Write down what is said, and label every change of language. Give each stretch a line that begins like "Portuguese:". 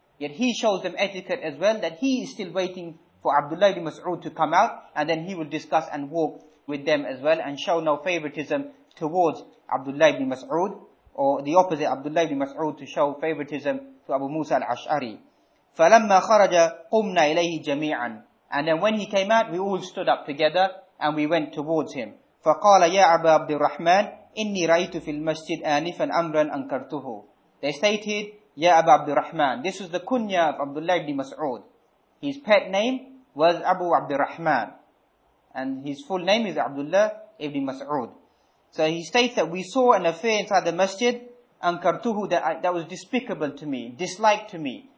English: Yet he shows them etiquette as well, that he is still waiting for Abdullah ibn Mas'ud to come out, and then he will discuss and walk with them as well, and show no favoritism towards Abdullah ibn Mas'ud, or the opposite, Abdullah ibn Mas'ud to show favoritism to Abu Musa al-Ash'ari.
Arabic: فَلَمَّا خَرَجَ قُمْنَا إِلَيْهِ جَمِيعًا.
English: And then when he came out, we all stood up together, and we went towards him.
Arabic: فَقَالَ يَا أَبَا عَبْدِ الرَّحْمَنِ إِنِّي رَأَيْتُ فِي الْمَسْجِدِ آنِفًا أَمْرًا أَنْكَرْتُهُ.
English: They stated,
Arabic: Ya Abu Abdurrahman.
English: This was the kunya of Abdullah ibn Mas'ud. His pet name was Abu Abdurrahman. And his full name is Abdullah ibn Mas'ud. So he states that we saw an affair inside the masjid, ankartuhu, that was despicable to me, disliked to me.